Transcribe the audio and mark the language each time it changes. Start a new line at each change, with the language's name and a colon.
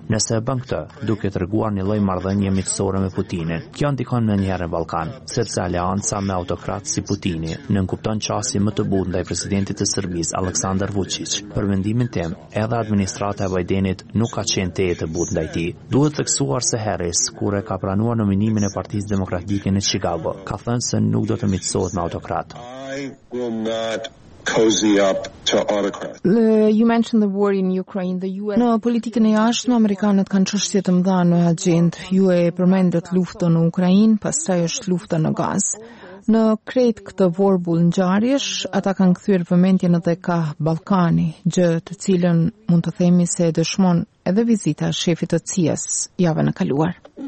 Albanian: Nëse e bën këtë, duke treguar një lloj marrëdhënie miqësore me Putinin, kjo ndikon menjëherë në Ballkan, sepse alianca me autokrat si Putini nënkupton çasjen më të butë ndaj presidentit të Serbisë Aleksandar Vučić. Për mendimin tim, edhe administrata e Bidenit nuk ka qenë te të butë ndaj tij. Duhet theksuar se Harris, kur e ka pranuar nominimin e Partisë Demokratike në Chicago, ka thënë se nuk do të miqësohet me autokrat.
English: You mentioned the war in Ukraine, the US.
Albanian: Në politikën e jashtme amerikanët kanë çështje të mëdha në agjendë. Ju e përmendët luftën në Ukrainë, pastaj është lufta në Gazë. Në krejt këtë vorbul ngjarjesh, ata kanë kthyer vëmendjen edhe ka Ballkani, gjë të cilën mund të themi se dëshmon edhe vizita e shefit të CIA-s javën e kaluar.